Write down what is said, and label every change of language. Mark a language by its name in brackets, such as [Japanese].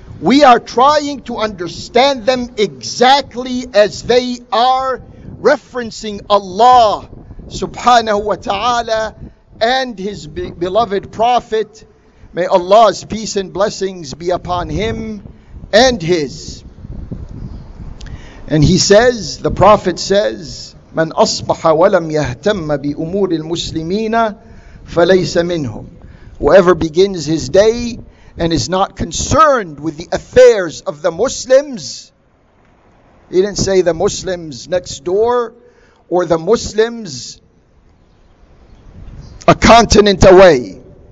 [English] We are trying to understand them exactly as they are, referencing Allah subhanahu wa ta'ala and his beloved prophet. May Allah's peace and blessings be upon him and his. And he says, the prophet says, [Arabic] من أصبح ولم يهتم بأمور المسلمين فليس منهم. [English] Whoever begins his day and is not concerned with the affairs of the Muslims, he didn't say the Muslims next door or the Muslims a continent away.